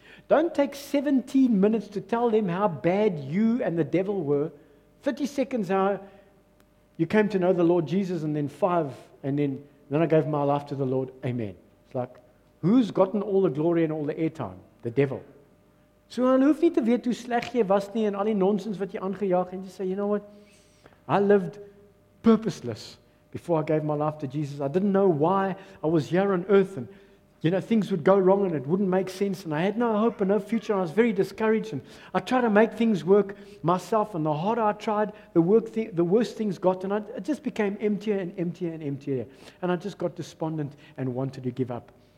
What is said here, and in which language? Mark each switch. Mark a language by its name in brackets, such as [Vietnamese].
[English] Don't take 17 minutes to tell them how bad you and the devil were. 30 seconds how you came to know the Lord Jesus, and then 5, and then I gave my life to the Lord. Amen. It's like, who's gotten all the glory and all the airtime? the devil. [Afrikaans] So hulle hoef nie te weet hoe sleg jy was nie en al die nonsens wat jy aangejaag en jy sê, [English] you know what, I lived purposeless before I gave my life to Jesus. I didn't know why I was here on earth and, you know, things would go wrong and it wouldn't make sense and I had no hope and no future and I was very discouraged and I tried to make things work myself and the harder I tried, the worse things got and it just became emptier and emptier and emptier and I just got despondent and wanted to give up.